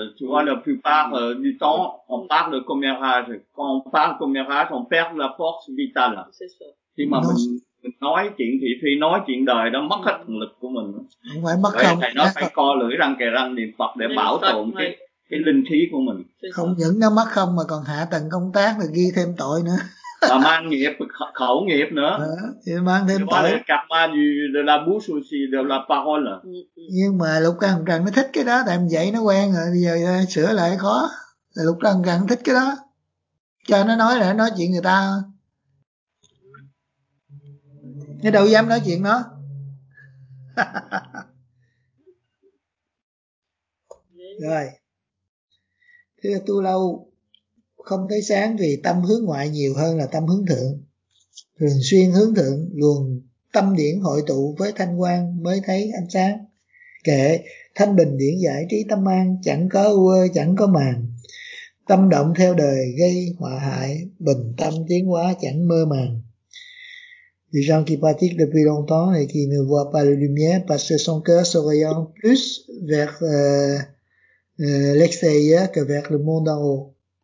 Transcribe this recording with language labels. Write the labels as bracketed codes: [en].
[fr] Tu vois, la plupart du temps, on parle commérage. Quand on parle commérage, on perd la force vitale. C'est ça. [vi] Si ma nói chuyện thị phi, nói chuyện đời đó mất hết thần lực của mình. Không phải mất không. Thầy nói phải co lưỡi răng kề răng niệm Phật để bảo tồn cái linh khí của mình. Không những nó mất không mà còn hạ tầng công tác rồi ghi thêm tội nữa. Và mang nghiệp, khẩu nghiệp nữa. Thì mang thêm tội. [fr] Karma de la bouche aussi de la parole. [vi] Nhưng mà Lục Căn Hồng Trần nó thích cái đó, tại mình dạy nó quen rồi, bây giờ sửa lại khó. Lục Căn Hồng Trần thích cái đó. Cho nó nói là nó nói chuyện người ta. Nó đâu dám nói chuyện nó. Rồi. Thưa tu lâu, không thấy sáng vì tâm hướng ngoại nhiều hơn là tâm hướng thượng. Thường xuyên hướng thượng, luồng tâm điển hội tụ với thanh quang mới thấy ánh sáng. Kệ, thanh bình điển giải trí tâm an, chẳng có uơ, chẳng có màng. Tâm động theo đời gây họa hại, bình tâm tiến hóa chẳng mơ màng. [fr] Les gens qui pratiquent depuis longtemps et qui ne voient pas la lumière parce que son cœur s'oriente plus vers l'extérieur que vers le monde en haut.